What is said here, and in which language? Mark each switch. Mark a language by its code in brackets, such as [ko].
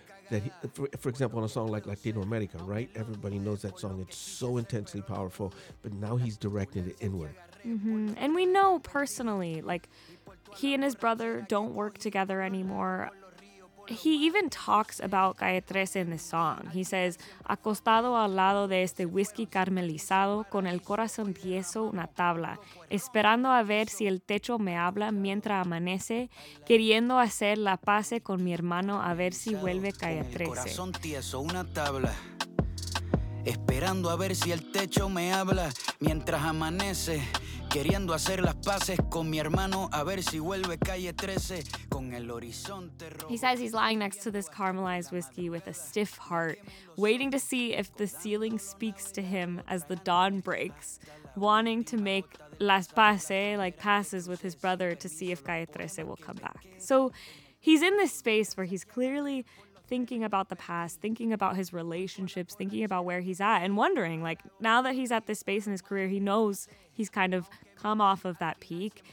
[en] That he, for example, on a song like Latino America, right? Everybody knows that song. It's so intensely powerful, but now he's directing it inward. Mm-hmm. And we know personally, like, he and his brother don't work together anymore. He even talks about Calle 13 in this song. He says, [es] acostado al lado de este whisky caramelizado, con el corazón tieso una tabla, esperando a ver si el techo me habla mientras amanece, queriendo hacer la paz con mi hermano a ver si vuelve Calle 13. Con el corazón tieso una tabla, esperando a ver si el techo me habla mientras amanece, queriendo hacer las paces con mi hermano a ver si vuelve Calle 13 con el horizonte rojo. [en] He says he's lying next to this caramelized whiskey with a stiff heart, waiting to see if the ceiling speaks to him as the dawn breaks, wanting to make [es] las paces, [en] like passes with his brother to see if Calle 13 will come back. So he's in this space where he's clearly thinking about the past, thinking about his relationships, thinking about where he's at, and wondering, like, now that he's at this space in his career, he knows he's kind of come off of that peak.